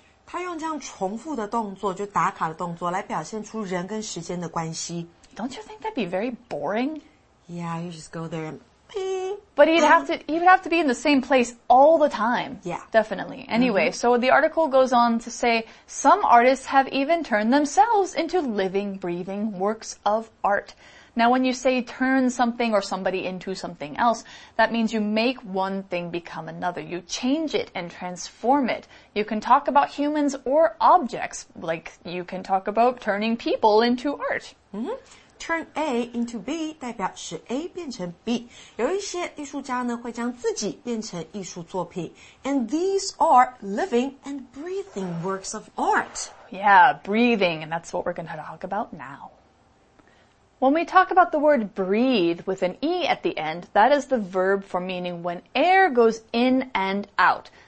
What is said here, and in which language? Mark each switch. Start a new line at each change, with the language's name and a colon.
Chinese: 他用这样重复的动作，就打卡的动作，来表现出人跟时间的关系。
English: Don't you think that'd be very boring? Yeah, you just go there and But he would have to be in the same place all the time. Yeah. Definitely. Anyway, So the article goes on to say, some artists have even turned themselves into living, breathing works of art. Now, when you say turn something or somebody into something else, that means you make one thing become another. You change it and transform it. You can talk about humans or objects, like you can talk about turning people into art. Mm-hmm. Turn A into B 代表使 A 变成 B.
Chinese: 有一些艺术家呢会将自己变成艺术作品。
English: And these are living and breathing works of art. Yeah, breathing, and that's what we're going to talk about now. When we talk about the word breathe with an E at the end, that is the verb for meaning when air goes in and out.